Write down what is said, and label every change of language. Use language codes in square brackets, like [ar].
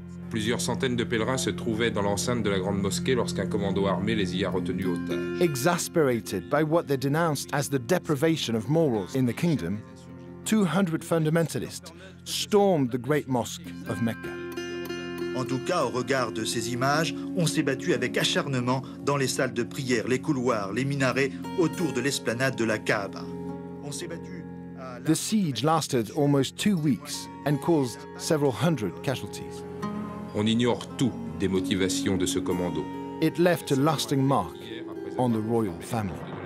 [fr] Plusieurs centaines de pèlerins se trouvaient dans l'enceinte de la grande mosquée lorsqu'un commando armé les y a retenus otages. [en] Exasperated by what they denounced as the deprivation of morals in the kingdom, 200 fundamentalists stormed the great mosque of Mecca. [fr] En tout cas, au regard de ces images, on s'est battu avec acharnement dans les salles de prière, les couloirs, les minarets autour de l'esplanade de la Kaaba. On s'est battu. [en] The siege lasted almost 2 weeks and caused several hundred casualties. [fr] On ignore tout des motivations de ce commando. [en] It left a lasting mark on the royal family.